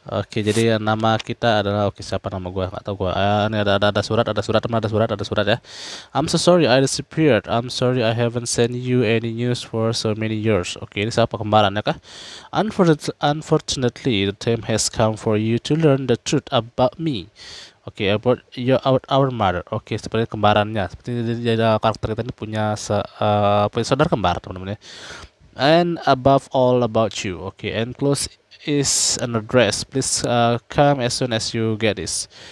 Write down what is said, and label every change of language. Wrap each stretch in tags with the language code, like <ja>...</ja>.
<id>Jadi nama kita adalah siapa nama gue nggak tahu gue. Ini ada surat ya.</id> <en>I'm so sorry I disappeared. I'm sorry I haven't sent you any news for so many years.</en> <id>Ini siapa kembarannya kah?</id> <en>Unfortunately the time has come for you to learn the truth about me. About our mother.</en> <id>Seperti kembarannya. Seperti karakter kita ini punya saudara kembar teman-teman ya.</id> <en>And above all about you. Okay, enclosed is an address. Please come as soon as you get this.</en>